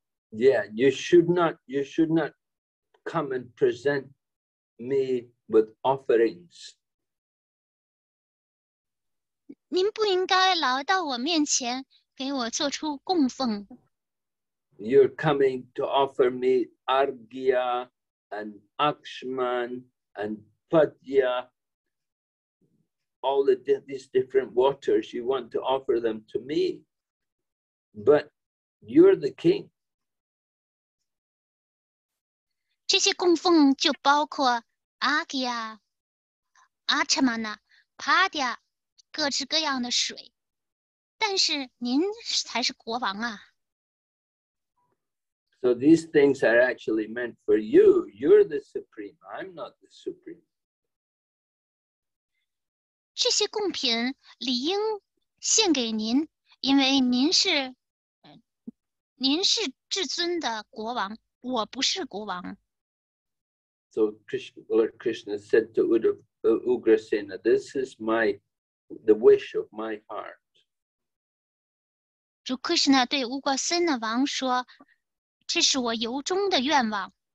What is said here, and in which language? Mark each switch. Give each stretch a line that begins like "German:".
English: Yeah, you should not come and present me with offerings.
Chinese: 您不应该来到我面前给我做出供奉。
English: You're coming to offer me Argya and Akshman and Padya, all the these different waters. You want to offer them to me, but you're the king.
Chinese: 这些供奉就包括阿迪亚、阿彻玛纳、帕迪亚各式各样的水，但是您才是国王啊。
English: So these things are actually meant for you. You're the supreme. I'm not the supreme.
Chinese: 这些贡品理应献给您，因为您是至尊的国王，我不是国王。
English: So Lord Krishna said to Ugrasena, "This is the wish of my heart."
Chinese: 主 Krishna 对 Ugrasena 王说，这是我由衷的愿望。